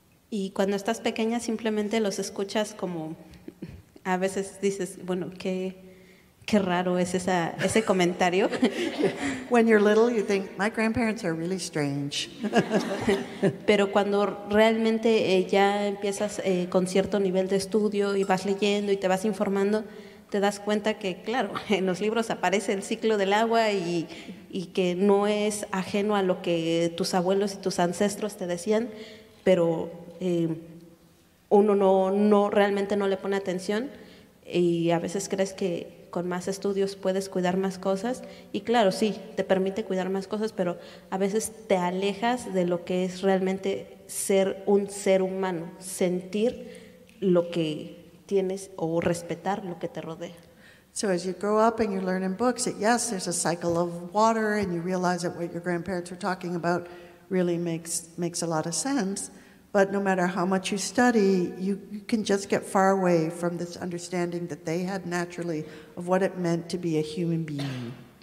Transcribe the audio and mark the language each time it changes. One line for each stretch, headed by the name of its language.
Spanish: Y cuando estás pequeña simplemente los escuchas como a veces dices, bueno, qué raro es ese comentario.
English: When you're little you think my grandparents are really strange.
Spanish: Pero cuando realmente ya empiezas con cierto nivel de estudio y vas leyendo y te vas informando, te das cuenta que claro, en los libros aparece el ciclo del agua y que no es ajeno a lo que tus abuelos y tus ancestros te decían, pero uno no realmente no le pone atención y a veces crees que con más estudios puedes cuidar más cosas y claro, sí, te permite cuidar más cosas, pero a veces te alejas de lo que es realmente ser un ser humano, sentir lo que tienes o respetar lo que te rodea.
English: So as you grow up and you learn in books that yes, there's a cycle of water and you realize that what your grandparents were talking about really makes a lot of sense. But no matter how much you study, you can just get far away from this understanding that they had naturally of what it meant to be a human being.